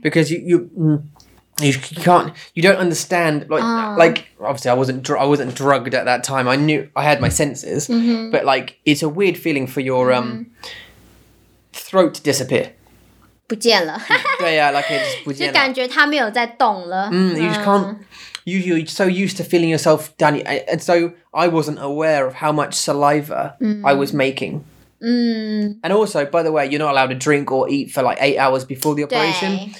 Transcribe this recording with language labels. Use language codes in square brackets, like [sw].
[en] Because you don't understand like obviously I wasn't drugged at that time. I knew I had my senses, but like it's a weird feeling for your throat to disappear. [zh] 不见了。对啊，就感觉它没有在动了。 [en] You just can't... you're so used to feeling yourself down. And so I wasn't aware of how much saliva I was making. And also, by the way, you're not allowed to drink or eat for like 8 hours before the operation.